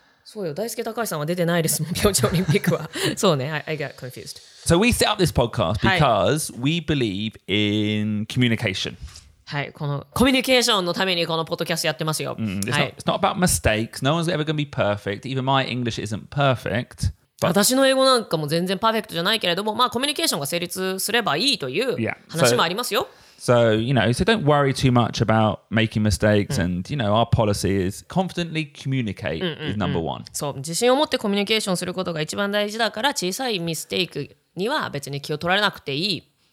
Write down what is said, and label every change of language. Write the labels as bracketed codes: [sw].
[ja] そうよ、大輔高橋さんは出てないですもん、平昌オリンピックは。そうね、 [en] I got confused. So we set up this podcast because we believe in communication. [ja] はい、このコミュニケーションのためにこのポッドキャストやってますよ。 [en] It's not about mistakes. No one's ever going to be perfect. Even my English isn't perfect. [ja] But, 私の英語なんかも全然パーフェクトじゃないけれども、まあコミュニケーションが成立すればいいという話もありますよ。 [en] So, don't worry too much about making mistakes、うん、and, you know, our policy is confidently communicate、うんうんうん、is number one. [ja] そう、自信を持ってコミュニケーションすることが一番大事だから、小さいミステイクには別に気を取られなくていい。